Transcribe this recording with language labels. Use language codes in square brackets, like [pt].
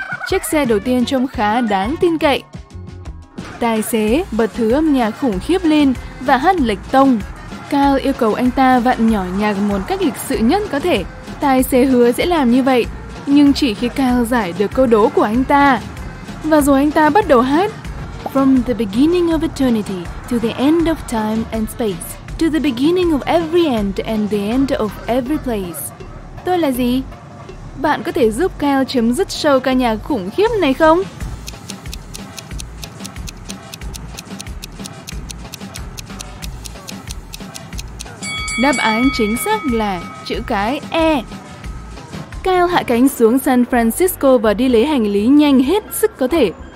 [vi] Chiếc xe đầu tiên trông khá đáng tin cậy. Tài xế bật thứ âm nhạc khủng khiếp lên và hát lệch tông. Kyle yêu cầu anh ta vặn nhỏ nhạc một cách lịch sự nhất có thể. Tài xế hứa sẽ làm như vậy, nhưng chỉ khi Kyle giải được câu đố của anh ta. Và rồi anh ta bắt đầu hát. [en] From the beginning of eternity to the end of time and space, to the beginning of every end and the end of every place. [vi] Tôi là gì? Bạn có thể giúp Kyle chấm dứt show ca nhạc khủng khiếp này không? Đáp án chính xác là chữ cái E. Kyle hạ cánh xuống San Francisco và đi lấy hành lý nhanh hết sức có thể.